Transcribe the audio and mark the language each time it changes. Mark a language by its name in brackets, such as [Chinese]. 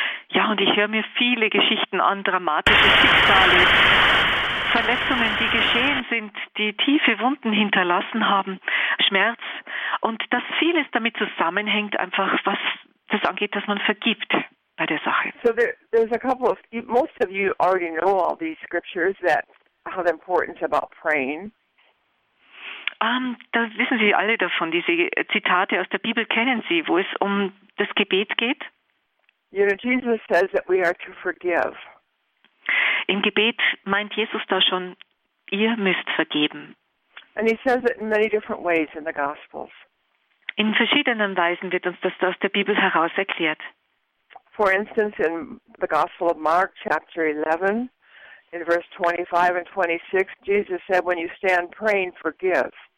[German] Ja, und ich höre mir viele Geschichten an, dramatische Schicksale, Verletzungen, die geschehen sind, die tiefe Wunden hinterlassen haben, Schmerz. Und dass vieles damit zusammenhängt, einfach was das angeht, dass man vergibt bei der Sache. [English] So there's a couple of, most of you already know all these scriptures that have importance about praying. [German] Da wissen Sie alle davon, diese Zitate aus der Bibel kennen Sie, wo es um das Gebet geht. [English] You know, Jesus says that we are to forgive. [German] Im Gebet meint Jesus da schon, ihr müsst vergeben. [English] And he says it in many different ways in the Gospels. [German] In verschiedenen Weisen wird uns das aus der Bibel heraus erklärt. [English] For instance, in the Gospel of Mark, chapter 11, in verse 25 and 26, Jesus said, when you stand praying, forgive.